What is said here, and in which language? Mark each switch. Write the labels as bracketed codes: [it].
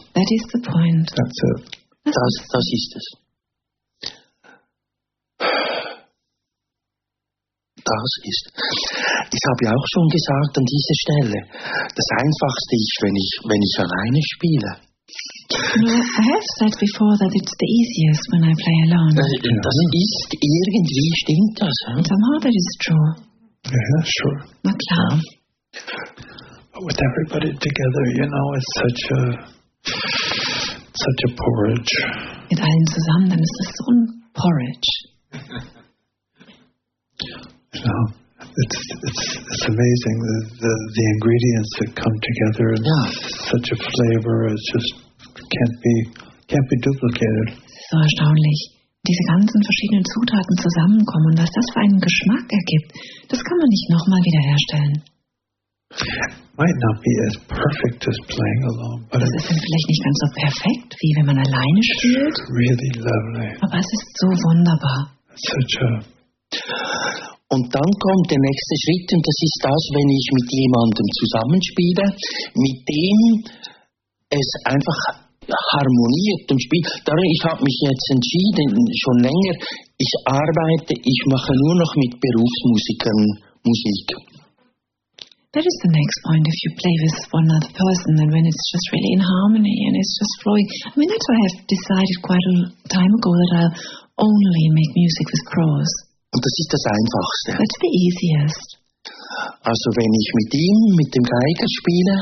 [en] That is the point. That's it. [de] Das ist es. Das ist. Ich habe ja auch schon gesagt an dieser Stelle, das Einfachste ist, wenn ich alleine spiele. [en] I have said before that it's the easiest when I play alone. [de] Das ist irgendwie stimmt das. [en] Somehow that is true. Yeah, that's true. [de] Na klar. [en] But with everybody together, you know, it's such a porridge. [de] Mit allen zusammen, dann ist es so ein Porridge. [en] No, it's amazing the ingredients that come together and such a flavor. It's just can't be duplicated. [de] So erstaunlich, diese ganzen verschiedenen Zutaten zusammenkommen und was das für einen Geschmack ergibt, das kann man nicht nochmal wiederherstellen. [en] Might not be as perfect as playing alone, but [de] das ist dann vielleicht nicht ganz so perfekt wie wenn man alleine spielt. [en] Really lovely. [de] Aber es ist so wunderbar. [en] Such a [de] Und dann kommt der nächste Schritt, und das ist das, wenn ich mit jemandem zusammenspiele, mit dem es einfach harmoniert und spielt. Darum, ich habe mich jetzt entschieden, schon länger, ich mache nur noch mit Berufsmusikern Musik. [en] That is the next point, if you play with one other person, and when it's just really in harmony and it's just flowing. I mean, that's why I have decided quite a time ago that I'll only make music with crows. [de] Und das ist das Einfachste. [en] That's the easiest. [de] Also wenn ich mit ihm, mit dem Geiger spiele.